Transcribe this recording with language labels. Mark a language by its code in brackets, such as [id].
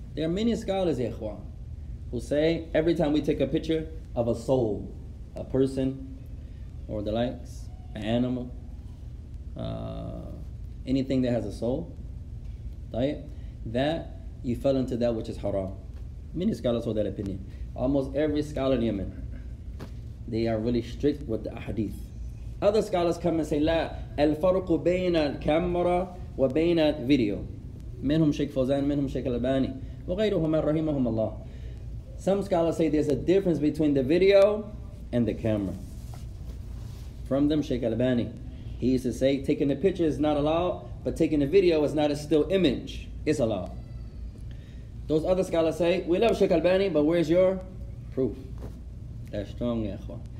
[en] There are many scholars, ya ikhwan, who say every time we take a picture of a soul, a person or the likes, an animal, anything that has a soul, right? That you fell into that which is haram. Many scholars hold that opinion. Almost every scholar in Yemen, they are really strict with the ahadith. Other scholars come and say, [ar] لا الفرق بين الكاميرا وبين الفيديو. منهم شيخ فوزان منهم شيخ الألباني وغيرهم رحمهم الله. [en] Some scholars say there's a difference between the video and the camera. From them, Sheikh Albani, he used to say, taking a picture is not allowed, but taking a video is not a still image. It's allowed. Those other scholars say, we love Sheikh Albani, but where's your proof? That's strong, ikhwan.